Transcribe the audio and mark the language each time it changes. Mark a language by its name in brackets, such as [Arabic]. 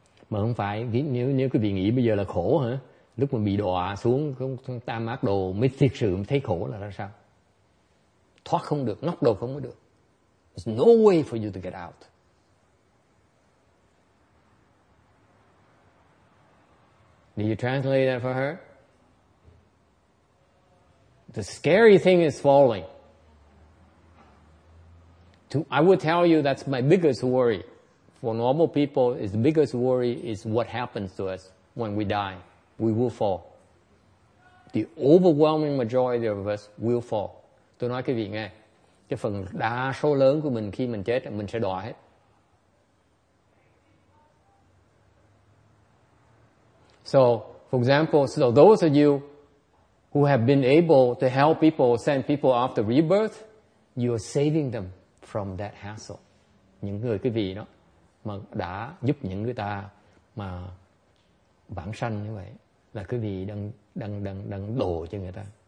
[Vietnamese] Mà không phải, nếu quý vị nghĩ bây giờ là khổ hả? Lúc mình bị đọa xuống tam ác đồ mới thiệt sự mới thấy khổ là ra sao? Thoát không được, ngóc đầu không có được. [English] There's no way for you to get out. Did you translate that for her? The scary thing is falling. I would tell you that's my biggest worry. For normal people, the biggest worry is what happens to us when we die. We will fall. The overwhelming majority of us will fall. [Vietnamese] Tôi nói quý vị nghe, cái phần đa số lớn của mình khi mình chết, mình sẽ đọa hết. [English] So, for example, so those of you who have been able to help people, send people after rebirth, you are saving them from that hassle. [Vietnamese] Những người quý vị đó, mà đã giúp những người ta mà vãng sanh như vậy, là quý vị đang đổ cho người ta.